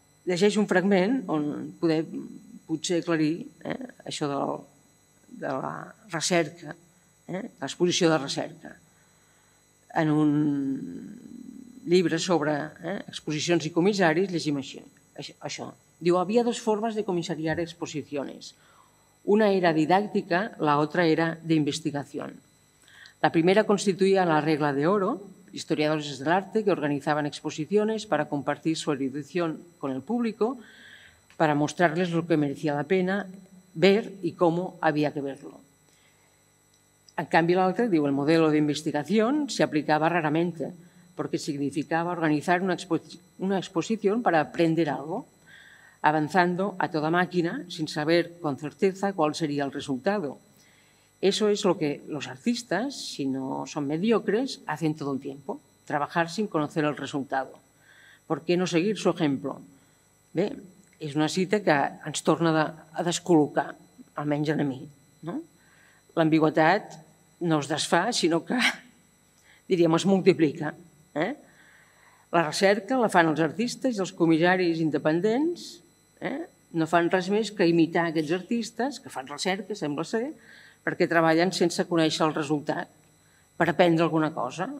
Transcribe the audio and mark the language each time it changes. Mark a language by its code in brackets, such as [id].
[ca] Llegeix un fragment on podem potser aclarir això de la recerca, l'exposició de recerca, en un llibre sobre exposicions i comissaris. Llegim així, això. Diu, havia dues formes de comissariar exposiciones. Una era didàctica, l'altra era d'investigació. [es] La primera constituía la regla de oro, historiadores del arte que organizaban exposiciones para compartir su erudición con el público, para mostrarles lo que merecía la pena ver y cómo había que verlo. En cambio, la otra, digo, el modelo de investigación se aplicaba raramente porque significaba organizar una exposición para aprender algo, avanzando a toda máquina sin saber con certeza cuál sería el resultado. Eso es lo que los artistas, si no son mediocres, hacen todo el tiempo, trabajar sin conocer el resultado. ¿Por qué no seguir su ejemplo? [ca] Bé, és una cita que ens torna a descol·locar, almenys en mi. No? L'ambigüitat no es desfà, sinó que, diríem, es multiplica. La recerca la fan els artistes i els comissaris independents, no fan res més que imitar aquests artistes, que fan recerca, sembla ser, perquè treballen sense conèixer el resultat, per aprendre alguna cosa.